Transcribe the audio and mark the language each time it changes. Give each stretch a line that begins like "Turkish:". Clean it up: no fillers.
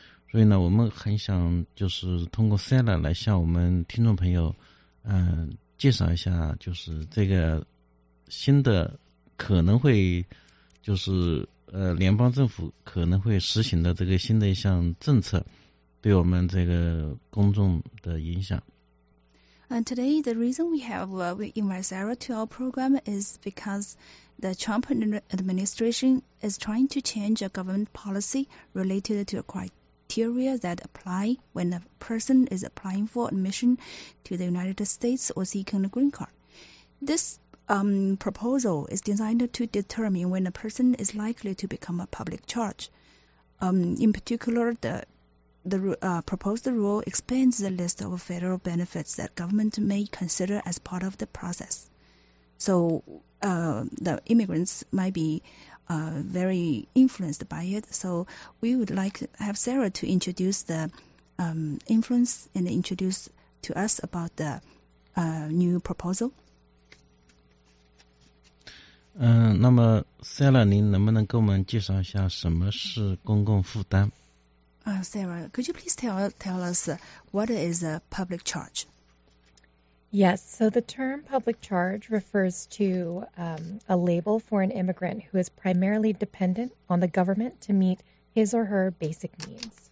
Chinese: 所以呢，我们很想就是通过 Sella 来向我们听众朋友，介绍一下，就是这个新的可能会，就是联邦政府可能会实行的这个新的一项政策，对我们这个公众的影响。
English: Today the reason we have we invite Sarah to our program is because the Trump administration is trying to change a government policy related to a criteria that apply when a person is applying for admission to the United States or seeking a green card. This proposal is designed to determine when a person is likely to become a public charge. In particular, the proposed rule expands the list of federal benefits that government may consider as part of the process. So the immigrants might beVery influenced by it. So we would like to have Sarah to introduce the influence and introduce to us about the new proposal.
Chinese: 那么 Sarah, 您能不能给我们介绍一下什么是公共负担？
English: Sarah, could you please tell us what is a public charge? Yes, so the term public charge refers to a label for an immigrant who is primarily dependent on the government to meet his or her basic needs.